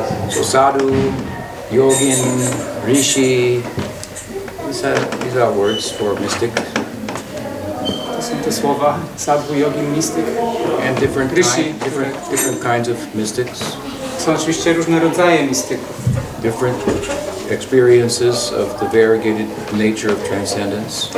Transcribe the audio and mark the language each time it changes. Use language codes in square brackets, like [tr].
[en] So sadhu, yogin, rishi, these are words for mystic. [pl] To są te słowa sadhu, yogin, mystic. [en] And different, different kinds of mystics. [pl] Są oczywiście różne rodzaje mistyków. [en] Different experiences of the variegated nature of transcendence.